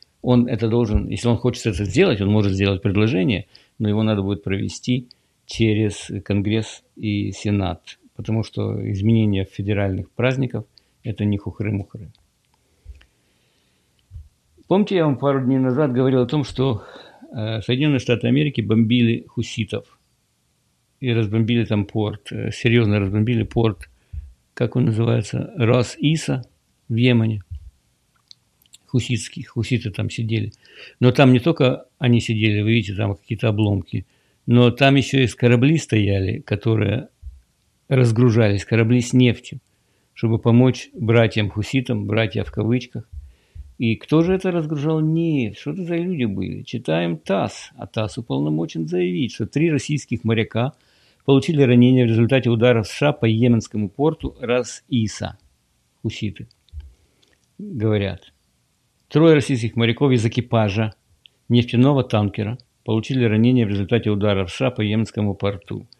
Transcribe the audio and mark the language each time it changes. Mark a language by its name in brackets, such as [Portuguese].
[Russian] Он это должен, если он хочет это сделать, он может сделать предложение, но его надо будет провести через Конгресс и Сенат, потому что изменения федеральных праздников – это не хухры-мухры. Помните, я вам пару дней назад говорил о том, что Соединенные Штаты Америки бомбили хуситов [Ukrainian] і розбомбили там порт, серйозно розбомбили порт, як він називається, Рос-Іса в Ємені. Хусіти там сиділи. Но там не тільки вони сиділи, ви бачите, там якісь обломки, но там ще й кораблі стояли, які розгружались, кораблі з нефтю, щоб допомогти братьям хуситам, братья в кавичках. [Russian] И кто же это разгружал? Нет, что это за люди были? Читаем ТАСС. А ТАСС уполномочен заявить, что 3 российских моряка получили ранения в результате удара США по йеменскому порту Рас-Иса. Хуситы говорят. 3 российских моряков из экипажа нефтяного танкера получили ранения в результате удара США по йеменскому порту.